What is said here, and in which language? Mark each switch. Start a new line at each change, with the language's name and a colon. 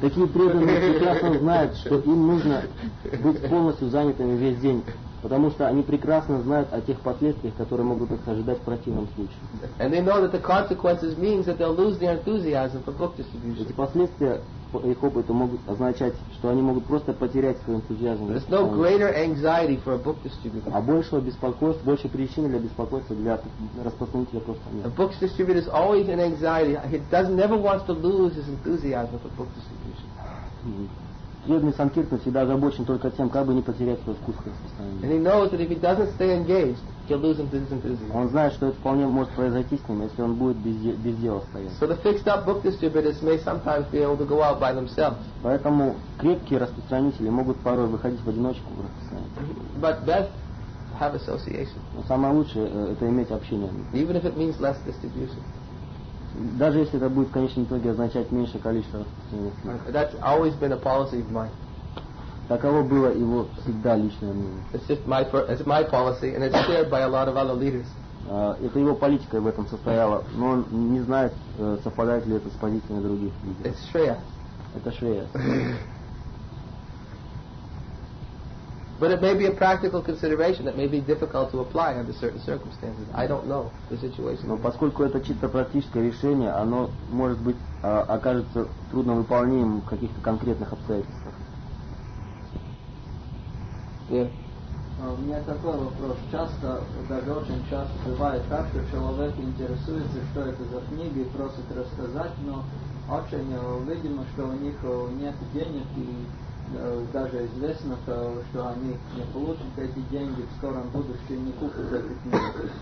Russian: Такие преданные прекрасно знают, что им нужно быть полностью занятыми весь день, потому что они прекрасно знают о тех последствиях, которые могут их ожидать в противном случае.
English: And they know that the consequences means that they'll lose their enthusiasm for book distribution.
Russian: Эти последствия по их опыту могут означать, что они могут просто потерять свой энтузиазм.
English: There's no greater anxiety for a book distributor.
Russian: А большего беспокойства, больше причины для беспокойства для распространителя просто нет.
English: A book distributor is always in anxiety. He doesn't never wants to lose his enthusiasm for book distribution.
Russian: Преданный санкиртан всегда озабочен только тем, как бы не потерять свой вкус к распространению.
English: And he knows that if he doesn't stay engaged, he'll lose his enthusiasm.
Russian: Он знает, что это вполне может произойти с ним, если он будет без дела стоять.
English: So the fixed-up book distributors may sometimes be able to go out by themselves.
Russian: Поэтому крепкие распространители могут порой выходить в одиночку в распространение.
English: But best have association.
Russian: Но самое лучшее это иметь общение.
English: Even if it means less distribution.
Russian: Даже если это будет в конечном итоге означать меньшее количество распространения.
English: That's always been a policy of mine.
Russian: Таково было его всегда личное мнение.
English: It's my policy, and it's shared by a lot of other leaders.
Russian: Это его политика в этом состояла, но он не знает, совпадает ли это с позициями других лидеров.
English: It's Shreya.
Russian: Это Shreya.
English: But it may be a practical consideration that may be difficult to apply under certain circumstances. I don't know the situation.
Russian: Но поскольку это чисто практическое решение, оно может быть окажется трудно выполнимым в каких-то конкретных обстоятельствах. У меня такой вопрос. Часто, даже очень часто бывает так, что человек интересуется, что это за книга, и просит рассказать, но очень видимо, что у них нет денег, и даже известно, что они не получат эти деньги в скором будущем, не купят эти книги.